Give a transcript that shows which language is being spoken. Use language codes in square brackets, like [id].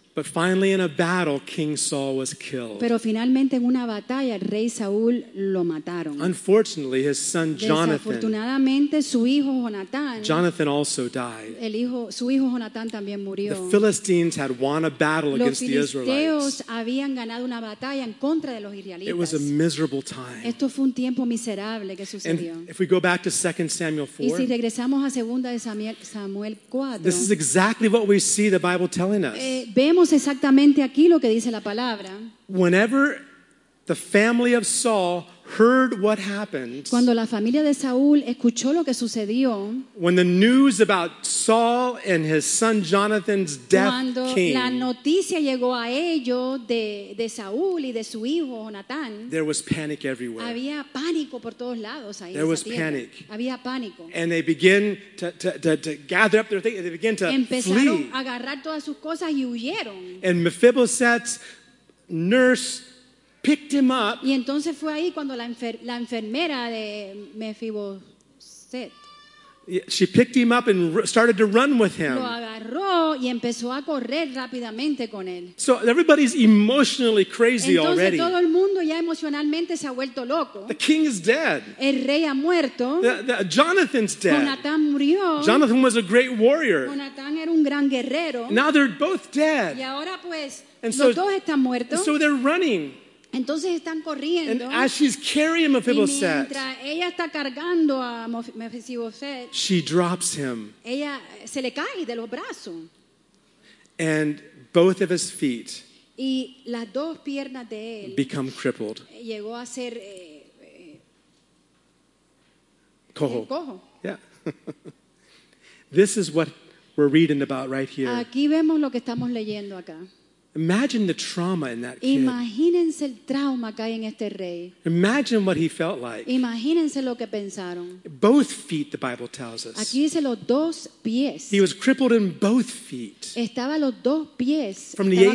[en] But finally in a battle King Saul was killed. [es] Pero finalmente en una batalla el rey Saúl lo mataron. [en] Unfortunately his son Jonathan. [es] Desafortunadamente su hijo Jonathan. [en] Jonathan also died. [es] Su hijo Jonathan también murió. [en] The Philistines had won a battle against the Israelites. [es] Los filisteos habían ganado una batalla en contra de los israelitas. [en] It was a miserable time. [es] Esto fue un tiempo miserable que sucedió. [en] And if we go back to 2 Samuel 4. [es] Y si regresamos a 2 Samuel 4. [en] This is exactly what we see the Bible telling us. [es] Vemos exactamente aquí lo que dice la palabra. [en] Whenever the family of Saul heard what happened, [es] cuando la familia de Saúl escuchó lo que sucedió, [en] when the news about Saul and his son Jonathan's death [es] cuando [en] came, [es] la noticia llegó a ellos de Saúl y de su hijo Jonathan, [en] there was panic everywhere. [es] Había pánico por todos lados ahí. [en] There was panic. [es] Había pánico. [en] And they begin to gather up their things. They begin to [es] empezaron [en] flee. [es] A agarrar todas sus cosas y huyeron. [en] And Mephibosheth's nurse picked him up. [es] Y entonces fue ahí cuando la enfermera de Mephibosheth. [en] She picked him up and started to run with him. [es] Lo agarró y empezó a correr rápidamente con él. [en] So everybody's emotionally crazy [es] entonces, [en] already. [es] Todo el mundo ya emocionalmente se ha vuelto loco. [en] The king is dead. [es] El rey ha muerto. [en] Jonathan's dead. [es] Jonathan murió. [en] Jonathan was a great warrior. [es] Jonathan era un gran guerrero. [en] Now they're both dead. [es] Y ahora pues, and los dos están muertos. [en] So they're running. [es] Entonces están corriendo. [en] And as she's carrying Mephibosheth, [es] mientras ella está cargando a Mephibosheth, [en] she drops him. [es] Ella se le cae de los brazos. [en] And both of his feet [es] y las dos piernas de él [en] become crippled. [es] Llegó a ser cojo. Yeah. [en] This is what we're reading about right here. [es] Aquí vemos lo que estamos leyendo acá. [en] Imagine the trauma in that kid. [es] Imagínense el trauma que hay en este rey. [en] Imagine what he felt like. [es] Imagínense lo que pensaron. [en] Both feet, the Bible tells us. [es] Aquí dice los dos pies. [en] He was crippled in both feet. [es] Estaba los dos pies. [en] From [es] estaba